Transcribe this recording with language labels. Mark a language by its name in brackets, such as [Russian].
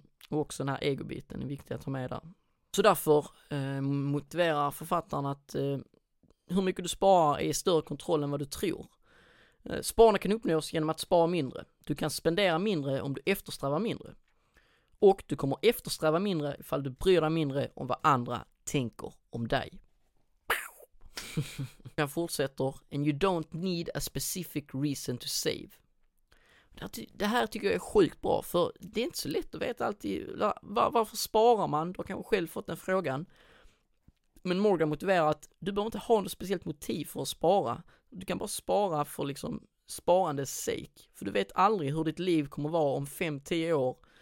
[Swedish] Och också den här egobiten är viktig att ta med där. Så därför motiverar författaren att hur mycket du sparar är i större kontroll än vad du tror. Sparna kan uppnås genom att spara mindre. Du kan spendera mindre om du eftersträvar mindre. Och du kommer eftersträva mindre ifall du bryr dig mindre om vad andra tänker om dig. Jag fortsätter. [English] And you don't need a specific reason to save. [Swedish] Det här tycker jag är sjukt bra. För det är inte så lätt att veta alltid. Varför sparar man? Du har kanske själv fått den frågan. Men Morgan motiverar att du behöver inte ha något speciellt motiv för att spara. Du kan bara spara för liksom sparandes sake. För du vet aldrig hur ditt liv kommer att vara om 5-10 år.